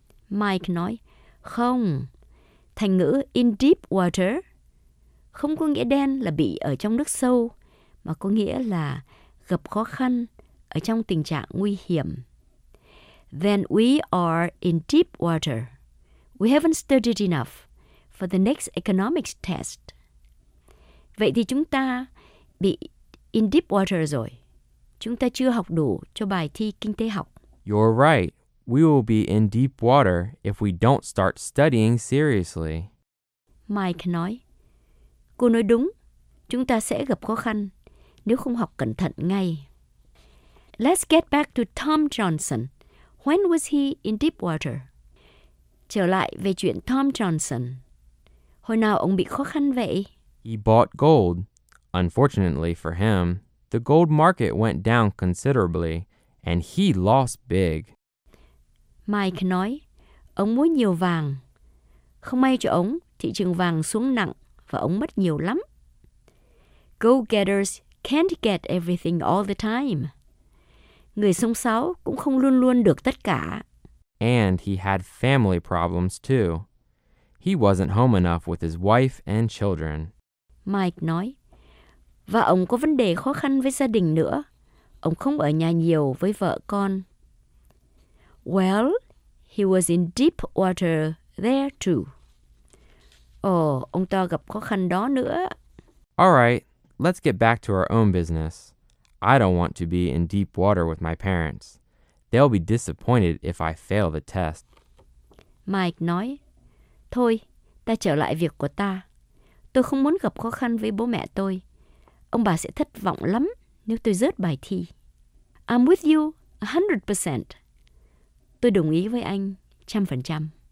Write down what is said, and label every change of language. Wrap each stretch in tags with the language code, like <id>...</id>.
<vi>Mike nói, không. Thành ngữ</vi> <en>in deep water</en> <vi>không có nghĩa đen là bị ở trong nước sâu, mà có nghĩa là gặp khó khăn ở trong tình trạng nguy hiểm.</vi> <en>Then we are in deep water. We haven't studied enough for the next economics test.</en> <vi>Vậy thì chúng ta bị</vi> <en>in deep water</en> <vi>rồi. Chúng ta chưa học đủ cho bài thi kinh tế học.</vi> <en>You're right. We will be in deep water if we don't start studying seriously.</en> <vi>Mike nói, cô nói đúng. Chúng ta sẽ gặp khó khăn nếu không học cẩn thận ngay.</vi> <en>Let's get back to Tom Johnson. When was he in deep water?</en> <vi>Trở lại về chuyện Tom Johnson. Hồi nào ông bị khó khăn vậy?</vi> <en>He bought gold. Unfortunately for him, the gold market went down considerably and he lost big.</en> <vi>Mike nói, ông mua nhiều vàng. Không may cho ông, thị trường vàng xuống nặng và ông mất nhiều lắm.</vi> <en>Go-getters can't get everything all the time.</en> <vi>Người sông sáo cũng không luôn luôn được tất cả.</vi> <en>And he had family problems too. He wasn't home enough with his wife and children.</en> <vi>Mike nói, và ông có vấn đề khó khăn với gia đình nữa. Ông không ở nhà nhiều với vợ con.</vi> <en>Well, he was in deep water there too.</en> <vi>Ồ, ông ta gặp khó khăn đó nữa.</vi> <en>All right, let's get back to our own business. I don't want to be in deep water with my parents. They'll be disappointed if I fail the test.</en> <vi>Mike nói, thôi, ta trở lại việc của ta. Tôi không muốn gặp khó khăn với bố mẹ tôi. Ông bà sẽ thất vọng lắm nếu tôi rớt bài thi.</vi> <en>I'm with you 100%.</en> <vi>Tôi đồng ý với anh 100%.</vi>